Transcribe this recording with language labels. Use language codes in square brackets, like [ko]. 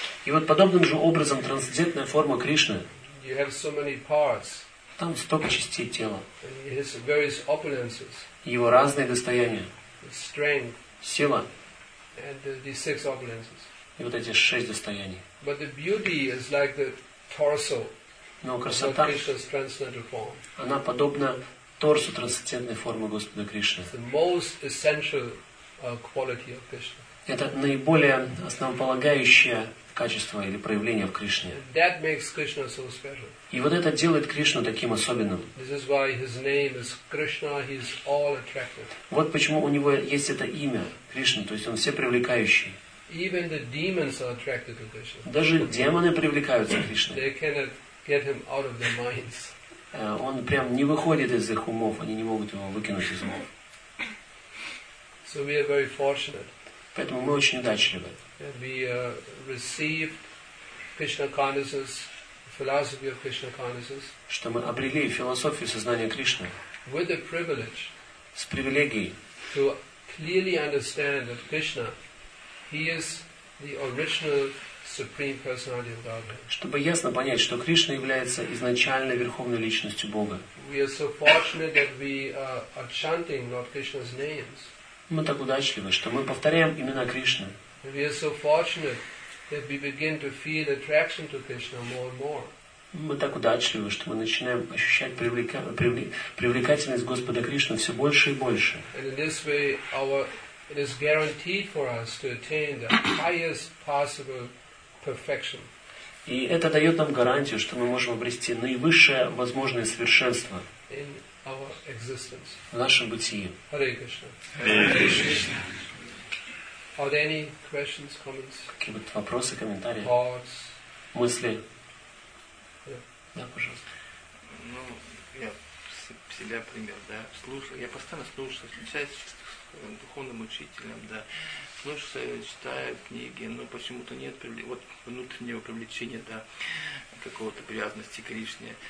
[ru] И вот подобным же образом трансцендентная форма Кришны. [en] You have so many parts. [ru] Там столько частей тела. [en] His various opulences. [ru] Его разные достояния. [en] Strength. [ru] Сила. [en] And the six opulences. [ru] И вот эти шесть достояний. [en] But the beauty is like the torso. [ru] Но красота, [en] Krishna's transcendental form. [ru] Она подобна торсу трансцендентной формы Господа Кришны. [en] The most essential quality of Krishna. [ru] Это наиболее основополагающее качество или проявление в Кришне. [en] That makes Krishna so special. [ru] И вот это делает Кришну таким особенным. [en] This is why his name is Krishna, he is all attractive. [ru] Вот почему у него есть это имя Кришна, то есть он все привлекающий. [en] Even the demons are attracted to Krishna. [ru] Даже демоны привлекаются к Кришне. [en] They cannot get him out of their minds. [ru] Он прям не выходит из их умов, они не могут его выкинуть из умов. [en] So we are very fortunate. [ru] Поэтому мы очень удачливы. [en] That we received Krishna consciousness, philosophy of Krishna consciousness. [ru] Что мы обрели философию сознания Кришны. [en] With the privilege. [ru] С привилегией. [en] To clearly understand that Krishna, he is the original supreme personality of Godhead. [ru] Чтобы ясно понять, что Кришна является изначальной верховной личностью Бога. [en] We are so fortunate that we are chanting Lord Krishna's names. [ru] Мы так удачливы, что мы повторяем имена Кришны. [en] We are so fortunate that we begin to feel attraction to Krishna more and more. [ru] Мы так удачливы, что мы начинаем ощущать привлекательность Господа Кришны все больше и больше. [en] And in this way, it is guaranteed for us to attain the highest possible perfection. [ru] И это дает нам гарантию, что мы можем обрести наивысшее возможное совершенство. [en] Our existence. [ru] В нашем бытии. [en] Hare Krishna. Hare Krishna. Are there any questions, comments? [ru] Какие-то вопросы, комментарии? [en] Thoughts? [ru] Мысли? [en] Yeah. [ru] Да, пожалуйста. Ну, я себя пример, да, слушаю. Я постоянно слушаю, встречаюсь с духовным учителем, да. Слушаю, читаю книги, но почему-то нет вот внутреннего привлечения, да, какого-то привязанности к Кришне.